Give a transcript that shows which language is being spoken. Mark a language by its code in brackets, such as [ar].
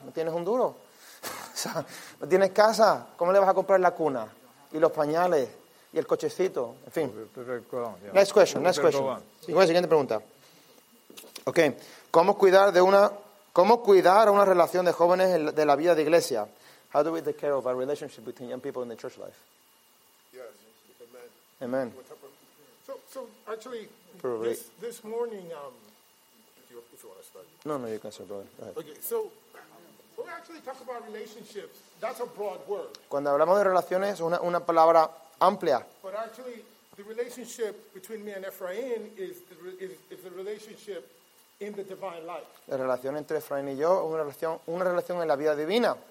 [es] No tienes un duro. O sea, no tienes casa. ¿Cómo le vas a comprar la cuna? Y los pañales. Y el cochecito. En fin. [en] Next question. [es] Sí. Siguiente pregunta. Ok. ¿Cómo cuidar una relación de jóvenes de la vida de iglesia? [en] How do we take care of a relationship between young people in the church life? Yes, amen. Amen. So actually, this morning, if you want to start. No, you can start, brother. Go ahead. Okay, so when we actually talk about relationships, that's a broad word. [es] Cuando hablamos de relaciones, una palabra amplia. [en] But actually, the relationship between me and Ephraim is the relationship in the divine life. [es] La relación entre Ephraim y yo es una relación en la vida divina.